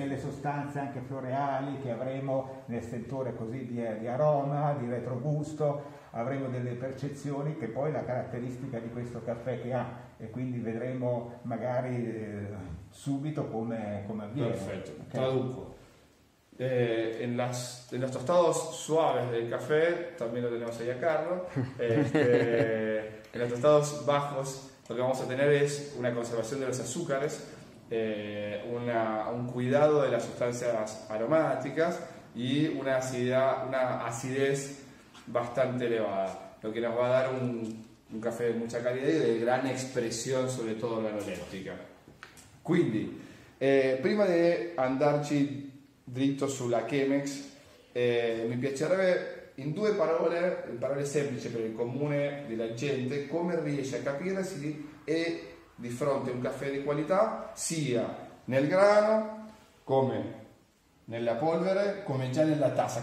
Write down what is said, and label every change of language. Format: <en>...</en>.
<it>Nelle sostanze anche floreali che avremo nel sentore così di aroma, di retrogusto, avremo delle percezioni che poi la caratteristica di questo caffè che ha, e quindi vedremo magari subito come avviene. Perfetto, okay. Traduco.</it> <es>En los tostados suaves del café, también lo tenemos ahí a Carlos, en los tostados bajos lo que vamos a tener es una conservación de los azúcares, un cuidado de las sustancias aromáticas y una acidez bastante elevada, lo que nos va a dar un café de mucha calidad y de gran expresión, sobre todo organoléptica.</es> <it>Quindi, prima di andarci dritto sulla Chemex, mi piacerebbe in due parole, in parole semplici per il comune della gente, come riesce a capire se è di fronte a un caffè di qualità, sia nel grano, come nella polvere, come già nella tazza.</it>